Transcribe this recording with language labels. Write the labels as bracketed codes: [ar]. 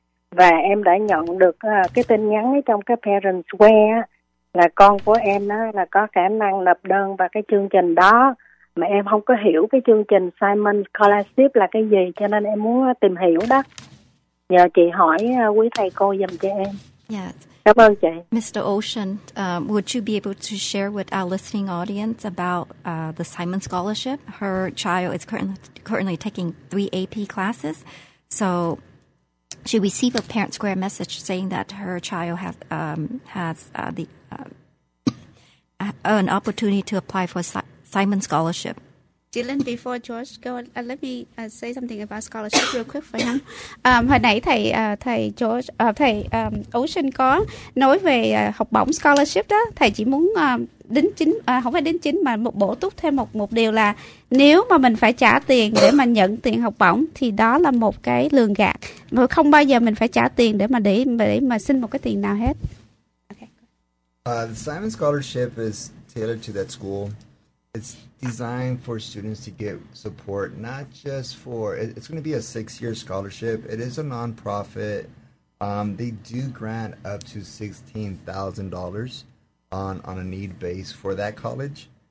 [vi] Và em đã nhận được cái tin nhắn ấy trong cái Parentsware là con của em đó là có khả năng nộp đơn vào cái chương trình đó. Mà em không có hiểu cái chương trình Simon Scholarship là cái gì, cho nên em muốn tìm hiểu đó. Nhờ chị hỏi quý thầy cô giùm cho em. [en] Yes. [vi] Cảm ơn chị. [en] Mr. Ocean, would you be able to share with our listening audience about the Simon Scholarship? Her child is currently taking 3 AP classes. So she received a Parent Square message saying that her child has an opportunity to apply for Simon Scholarship. Dylan, before George go, let me say something about scholarship real quick for him. [vi] Hồi nãy thầy thầy George thầy Ocean có nói về học bổng scholarship đó. Thầy chỉ muốn đính chính, không phải đính chính mà một bổ túc thêm một điều là nếu mà mình phải trả tiền để mà nhận tiền học bổng thì đó là một cái lường gạt. Mà không bao giờ mình phải trả tiền để mà xin một cái tiền nào hết. [en] Okay. The Simon Scholarship is tailored to that school. It's designed for students to get support, not just for, it's going to be a 6-year scholarship. It is a nonprofit. They do grant up to $16,000 on a need base for that college.